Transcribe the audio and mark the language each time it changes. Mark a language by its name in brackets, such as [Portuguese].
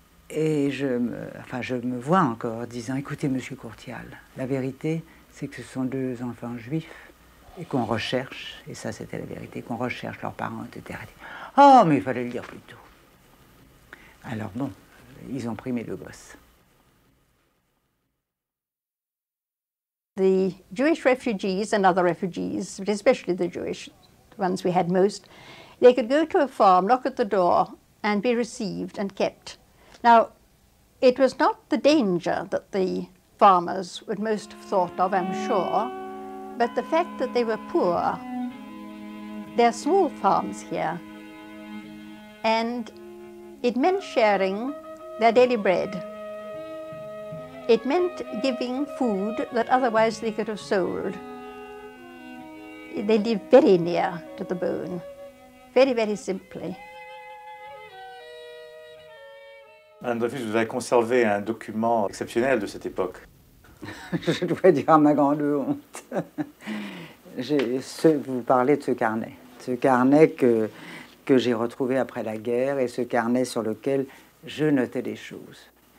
[French] Et je me vois encore disant, écoutez, Monsieur Courtial, la vérité, c'est que ce sont deux enfants juifs. Et qu'on recherche, et ça c'était la vérité, qu'on recherche leurs parents, etc. Oh, mais il fallait le dire plus tôt. Alors bon, ils ont pris mes deux gosses. [English] The Jewish refugees and other refugees, but especially the Jewish ones we had most, they could go to a farm, knock at the door, and be received and kept. Now, it was not the danger that the farmers would most have thought of, I'm sure. But the fact that they were poor, there are small farms here, and it meant sharing their daily bread. It meant giving food that otherwise they could have sold. They lived very near to the bone, very, very simply. [French] Madame Dreyfus, vous avez conservé un document exceptionnel de cette époque. Je dois dire ma grande honte. Vous parlez de ce carnet. Ce carnet que j'ai retrouvé après la guerre et ce carnet sur lequel je notais des choses.